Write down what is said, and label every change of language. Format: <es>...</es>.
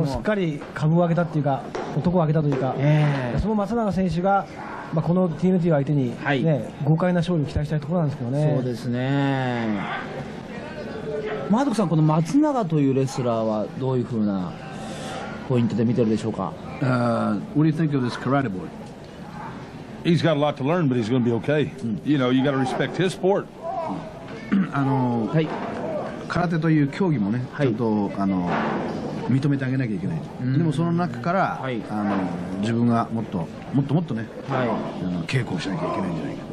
<ja>もうしっかり株を上げたっていうか、男を上げたというか、その松永選手が、まあ、この TNT を相手に、ね、はい、豪快な勝利を期待したいところなんですけどね、そうですね、マドクさん、この松永というレスラーはどういうふうなポイントで見てるでしょうか。</ja> <en>What do you think of this karate boy? He's got a lot to learn, but he's going to be okay.、うん、you know, you got to respect his sport.、うん、</en> <ja>はい、空手という競技もね、はい、ちょっと認めてあげなきゃいけない。でもその中から、はい、自分がもっともっともっとね、はい、稽古をしなきゃいけないんじゃないか。</ja>